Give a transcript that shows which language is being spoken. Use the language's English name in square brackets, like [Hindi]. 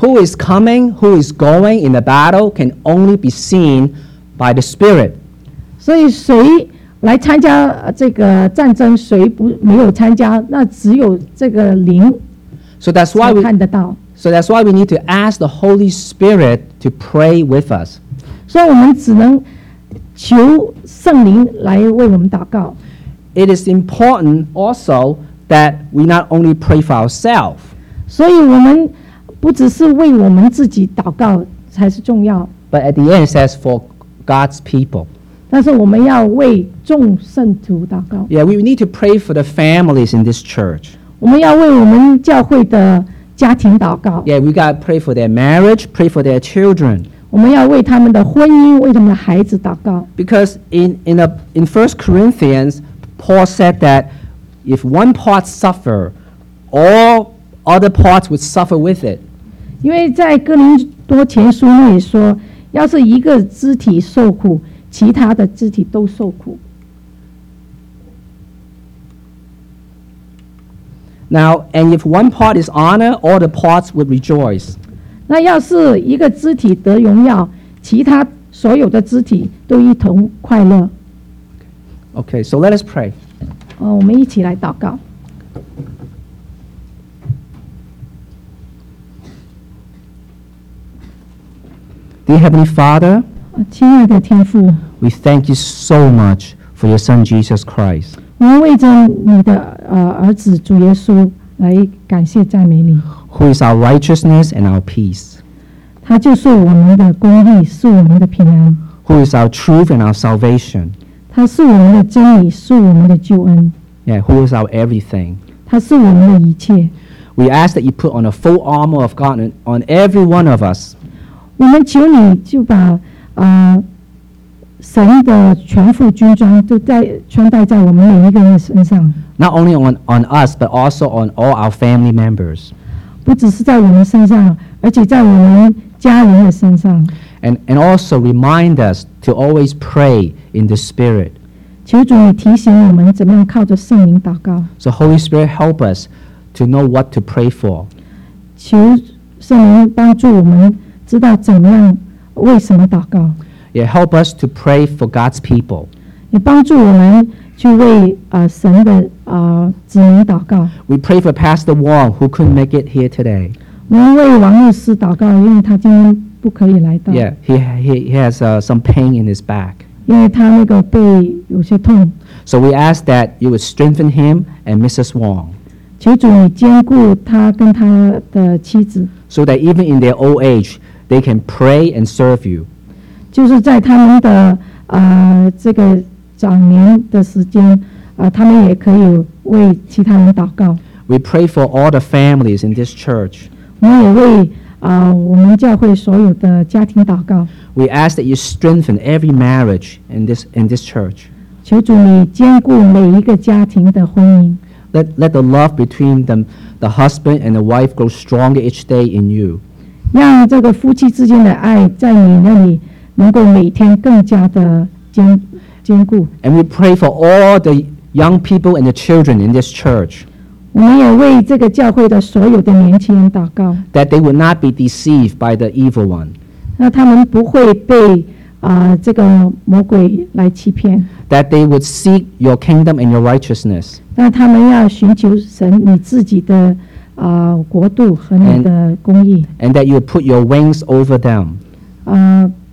[English] Who is coming, who is going in the battle can only be seen by the Spirit. [Chinese] 所以谁来参加这个战争，谁不没有参加，那只有这个灵才看得到。 [English] So that's why we need to ask the Holy Spirit to pray with us. [Chinese] 所以我们只能求圣灵来为我们祷告。 [English] It is important also that we not only pray for ourselves. [Chinese] 所以我们不只是为我们自己祷告才是重要。 [English] But at the end, it says for God's people. [Chinese] 但是我们要为众圣徒祷告。 [English] Yeah, we need to pray for the families in this church. [Chinese] 我们要为我们教会的家庭祷告。 [English] Yeah, we got to pray for their marriage, pray for their children. [Chinese] 我们要为他们的婚姻，为他们的孩子祷告。 [English] Because in First Corinthians. Paul said that if one part suffer, all other parts would suffer with it. [Chinese] 因为在哥林多前书那里说，要是一个肢体受苦，其他的肢体都受苦。 [English] Now, and if one part is honored, all the parts would rejoice. [Chinese] 那要是一个肢体得荣耀，其他所有的肢体都一同快乐。 [English] Okay, so let us pray. [Chinese] 哦，我们一起来祷告。 [English] Dear Heavenly Father, [Chinese] 亲爱的天父 [English] we thank you so much for your Son Jesus Christ. [Chinese] 我们为着你的儿子主耶稣来感谢赞美你。 [English] Who is our righteousness and our peace? [Chinese] 他就是我们的公义，是我们的平安。 [English] Who is our truth and our salvation? [Chinese] 他是我们的真理，是我们的救恩。 [English] Yeah, who is our everything? [Chinese] 他是我们的一切。 [English] We ask that you put on a full armor of God on every one of us. [Chinese] 我们求你就把神的全副军装都在穿戴在我们每一个人的身上。 [English] Not only on us, but also on all our family members. [Chinese] 不只是在我们身上，而且在我们家人的身上。 [English] And also remind us to always pray in the Spirit. [Chinese] 求主你提醒我们怎么样靠着圣灵祷告。 [English] So Holy Spirit help us to know what to pray for. [Chinese] 求圣灵帮助我们知道怎么样为什么祷告。 [English] Yeah, help us to pray for God's people. [Chinese] 也帮助我们去为神的子民祷告。 [English] We pray for Pastor Wong who couldn't make it here today. [Chinese] 我们为王牧师祷告，因为他今天不可以来到。 [English] Yeah, he has some pain in his back. [Chinese] 因为他那个背有些痛。 [English] So we ask that you would strengthen him and Mrs. Wong. [Chinese] 求主你坚固他跟他的妻子。 [English] So that even in their old age, they can pray and serve you. [Chinese] 就是在他们的这个长年的时间他们也可以为其他人祷告。 [English] We pray for all the families in this church. [Chinese] 我们也为我们教会所有的家庭祷告。 [English] We ask that you strengthen every marriage in this church. [Chinese] 求主你坚固每一个家庭的婚姻。 [English] Let the love between the husband and the wife grow stronger each day in you. [Chinese] 让这个夫妻之间的爱在你那里能够每天更加的坚固。 [English] And we pray for all the young people and the children in this church. [Chinese] 我们也为这个教会的所有的年轻人祷告。 [English] That they would not be deceived by the evil one. [Chinese] 那他们不会被这个魔鬼来欺骗。 [English] That they would seek your kingdom and your righteousness. [Chinese] 那他们要寻求神你自己的国度和你的公义。 [English] And that you would put your wings over them.